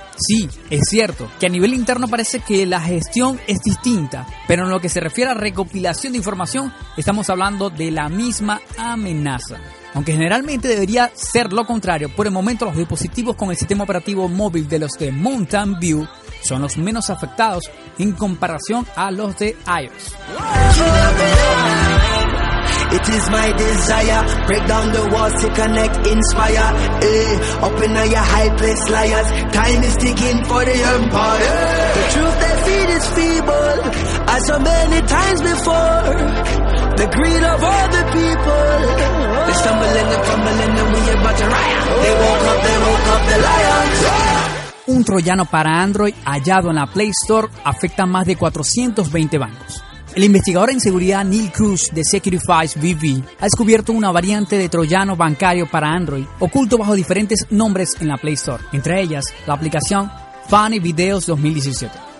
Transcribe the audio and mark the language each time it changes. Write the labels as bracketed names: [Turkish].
[Spanish] Sí, es cierto que a nivel interno parece que la gestión es distinta, pero en lo que se refiere a recopilación de información, estamos hablando de la misma amenaza. Aunque generalmente debería ser lo contrario, por el momento los dispositivos con el sistema operativo móvil de los de Mountain View son los menos afectados en comparación a los de iOS. [English] It is my desire, break down the walls to connect, inspire, open up your high place, liars, time is ticking for the empire, the truth they feed is feeble, as so many times before, the greed of all the people, they stumbling and fumbling and we about to riot, they woke up the lions. [Spanish] Un troyano para Android hallado en la Play Store afecta a más de 420 bancos. El investigador en seguridad Neil Cruz de Securifice VV ha descubierto una variante de troyano bancario para Android oculto bajo diferentes nombres en la Play Store, entre ellas la aplicación Funny Videos 2017.